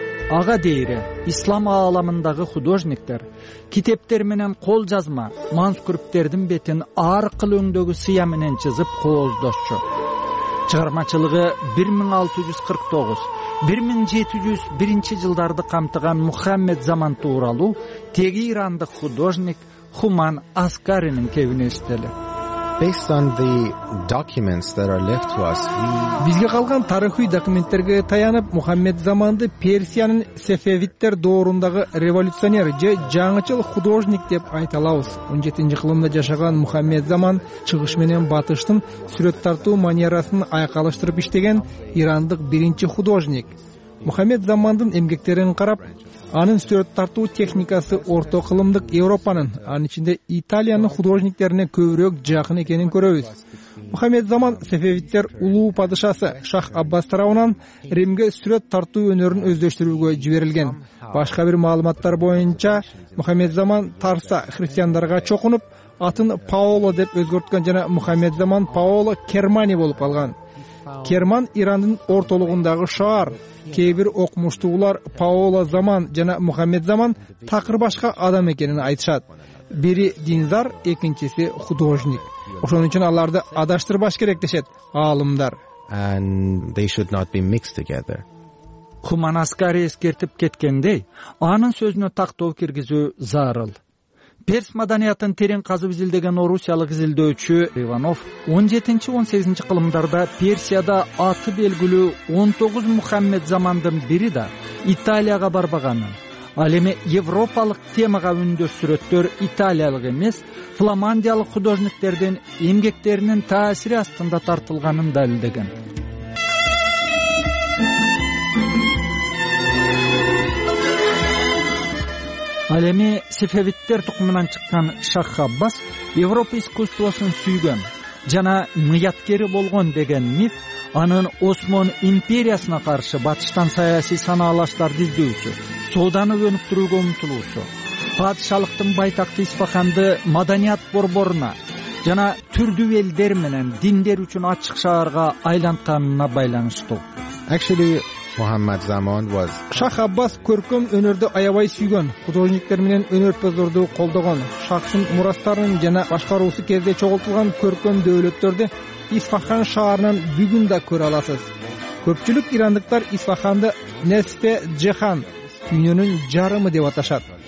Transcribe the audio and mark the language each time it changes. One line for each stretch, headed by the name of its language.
Kyrgyz: Ага дейри ислам ааламындагы художниктер китептер менен кол жазма манускрипттердин бетин ар кыл өңдөгү сыя менен чызып кооздошчу. Чыгармачылыгы 1649-1701 жылдарды камтыган Мухаммед Заман тууралуу теги ирандык художник Хуман Аскаринин кебине иштели.
English: Based on the documents that are left to us,
Kyrgyz: бизге калган тарыхый документтерге таянып, Мухаммед Заманды Персиянын Сефевиттер доорундагы революционер же жаңычыл художник деп айталабыз. 17-чи кылымда жашаган Мухаммед Заман чыгыш менен батыштын сүрөт тартуу манерасын айкалыштырып иштеген ирандык биринчи художник. Мухаммед Замандын эмгектерин карап, анын сүрөт тартуу техникасы орто кылымдык Европанын, анын ичинде Италиянын художниктерине көбүрөөк жакын экенин көрөбүз. Мухаммед Заман Сефевиттер улуу падышасы Шах Аббас тарабынан Римге сүрөт тартуу өнөрүн өздөштүрүүгө жиберилген. Башка бир маалыматтар боюнча, Мухаммед Заман Тарса христиандарга чокунуп, атын Паоло деп өзгөрткөн жана Мухаммед Заман Паоло Кермани болуп калган. Керман Ирандын ортолугундагы шаар. Кээ бир окумуштуулар Паоло Заман жана Мухаммед Заман такыр башка адам экенин айтышат. Бири динзар, экинчиси художник. Ошон үчүн аларды адаштырбаш керек дешет аалымдар.
English: And they should not be mixed together.
Kyrgyz: Хуман Аскари эскертип кеткендей, анын сөзүнө тактоо киргизүү зарыл. Перс маданиятын терең казып изилдеген орусиялык изилдөөчү Иванов 17-18 кылымдарда Персияда аты белгилүү 19 Мухаммед Замандын бири да Италияга барбаганын, ал эми европалык темага үндөш сүрөттөр италиялык эмес, фламандиялык художниктердин эмгектеринин таасири астында тартылганын далилдеген. Ал эми Сефевиттер тукумунан чыккан Шах Аббас Европа искусствосун сүйгөн, жана ниеткери болгон деген миф анын Осман империясына каршы батыштан саясий санаалаштар диздөөсү, сооданы өнүктүрүүгө умтулуусу, падышалыктын байтакты Исфаханды маданият борборуна жана түрдүү элдер менен диндер үчүн ачык шаарга айлантканына байланыштуу.
English: Actually, Muhammad Zaman was
Kyrgyz: Шах Аббас көркөм өнөрдү аябай сүйгөн, художниктер менен өнөрпаздарды колдогон, шахсын мурастарын жана башкаруусу кезде чогултулган көркөм дөөлөттөрдү Исфахан шаарынан бүгүн да көрө аласыз. Көпчүлүк ирандыктар Исфаханды Несфе Джехан, дүйнөнүн жарымы деп аташат.